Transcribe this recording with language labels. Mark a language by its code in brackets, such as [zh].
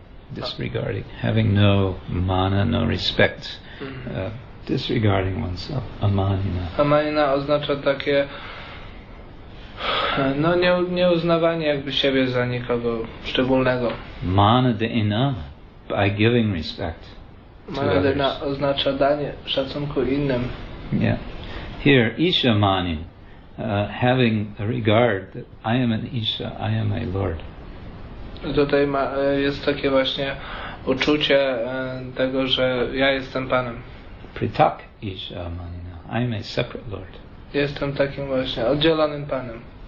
[en] Disregarding, having no mana, no respect. Disregarding oneself. Amanina. [pl] Amanina oznacza takie nie uznawanie jakby siebie za nikogo szczególnego. [en] Manadena, by giving respect. [pl] Manadena oznacza danie szacunku innym. [en] Yeah. Here, isha mani, having a regard that I am an isha, I am a lord. [pl] Tutaj jest takie właśnie uczucie tego, że ja jestem panem. [en] Pritak isha mani, I am a separate lord. [pl] Jestem takim właśnie oddzielonym panem.